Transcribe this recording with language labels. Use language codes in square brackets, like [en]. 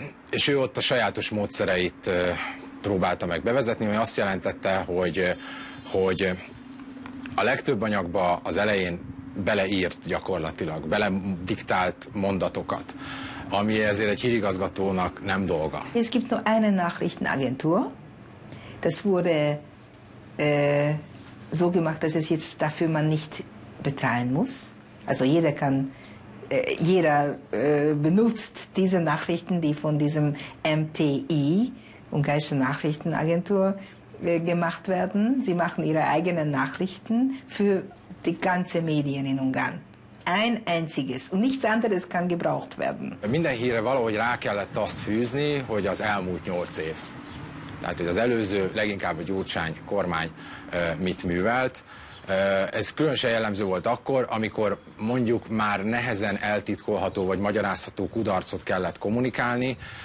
[hu] És ő ott a sajátos módszereit próbálta meg bevezetni, ami azt jelentette, hogy a legtöbb anyagba az elején beleírt gyakorlatilag, belediktált mondatokat, ami ezért egy hírigazgatónak nem dolga. [de] Es gibt nur eine Nachrichtenagentur. Das wurde so gemacht, dass es jetzt dafür man nicht bezahlen muss. Also jeder kann, jeder benutzt diese Nachrichten, die von diesem MTI, ungarische Nachrichtenagentur, gemacht werden. Sie machen ihre eigenen Nachrichten für die ganze Medien in Ungarn. Ein einziges und nichts anderes kann gebraucht werden. [hu] Minden hírre valahogy rá kellett azt fűzni, hogy az elmúlt 8 év. Tehát, hogy az előző, leginkább a Gyurcsány kormány mit művelt. Ez különösen jellemző volt akkor, amikor mondjuk már nehezen eltitkolható vagy magyarázható kudarcot kellett kommunikálni.